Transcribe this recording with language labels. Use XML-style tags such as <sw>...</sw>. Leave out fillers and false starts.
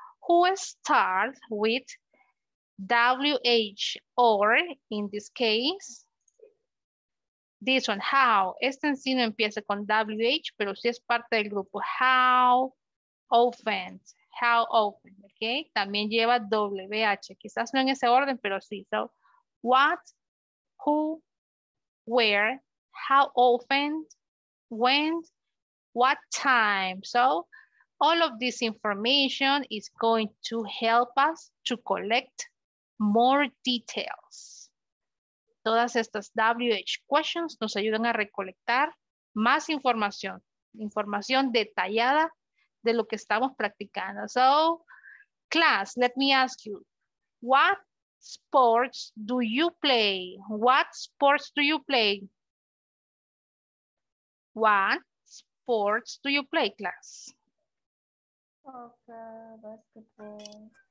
<en>Who starts with WH or in this case, this one, how.</en> <es>Este en sí no empieza con WH, pero sí es parte del grupo.</es> <en>How often, ok.</en> <es>También lleva WH, quizás no en ese orden, pero sí.</es> <en>So, what, who, where, how often, when, what time. So, all of this information is going to help us to collect more details.</en> <es>Todas estas WH questions nos ayudan a recolectar más información, información detallada de lo que estamos practicando.</es> <en>So, class, let me ask you, what sports do you play? What sports do you play? What sports do you play, class? Okay, basketball.</en>